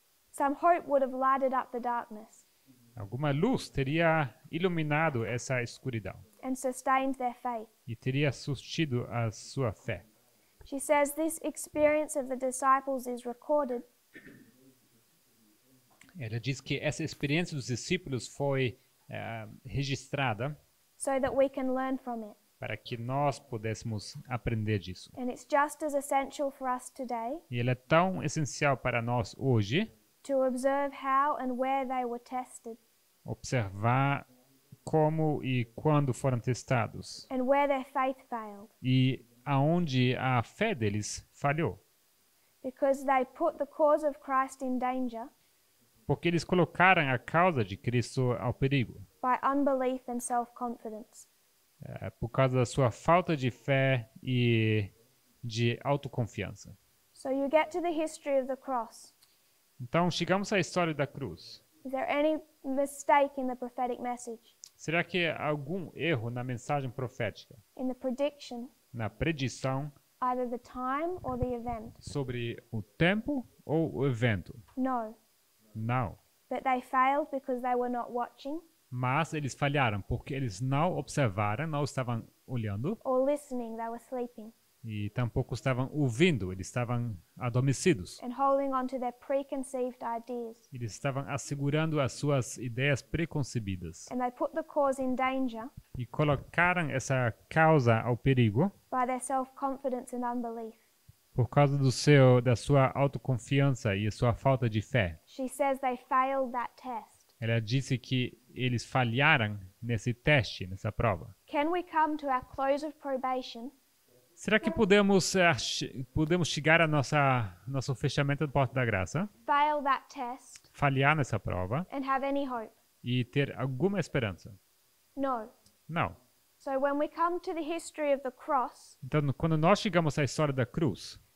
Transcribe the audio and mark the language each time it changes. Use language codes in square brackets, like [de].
[en] some hope would have lighted up the darkness. [pt] Alguma luz teria iluminado essa escuridão. [en] And sustained their faith. [pt] E teria sustido a sua fé. [en] She says this experience of the disciples is recorded. [pt] Ela diz que essa experiência dos discípulos foi registrada [en] so that we can learn from it. [pt] Para que nós pudéssemos aprender disso. [en] And it's just as essential for us today. [pt] E ela é tão essencial para nós hoje [en] to observe how and where they were tested. [pt] Observar como e quando foram testados. [en] And where their faith failed. [pt] E aonde a fé deles falhou. [en] Because they put the cause of Christ in danger. [pt] Porque eles colocaram a causa de Cristo ao perigo. [en] By unbelief and self-confidence. [pt] Por causa da sua falta de fé e de autoconfiança. [en] So you get to the history of the cross. [pt] Então chegamos à história da cruz. [en] Is there any mistake in the prophetic message? [pt] Será que há algum erro na mensagem profética? [en] In the prediction. [pt] Na predição [en] Either the time or the event. [pt] Sobre o tempo ou o evento? [en] No. [pt] Não. [en] But they failed because they were not watching. [pt] Mas eles falharam porque eles não observaram, não estavam olhando. [en] Or listening, they were sleeping. [pt] E tampouco estavam ouvindo, eles estavam adormecidos. [en] And holding on to their preconceived ideas. [pt] Eles estavam assegurando as suas ideias preconcebidas. [en] And they put the cause in danger. [pt] E colocaram essa causa ao perigo. [en] By their self-confidence and unbelief. [pt] Por causa do seu, da sua autoconfiança e a sua falta de fé. [en] She says they failed that test. [pt] Ela disse que eles falharam nesse teste, nessa prova. [en] Can we come to our close of probation? [pt] Será que podemos chegar ao nosso fechamento da porta da graça? [en] Fail that test, [pt] falhar nessa prova. [en] And have any hope. [pt] E ter alguma esperança? [en] No. [pt] Não. [en] So when we come to the history of the cross, [pt] então, quando nós chegamos à história da cruz,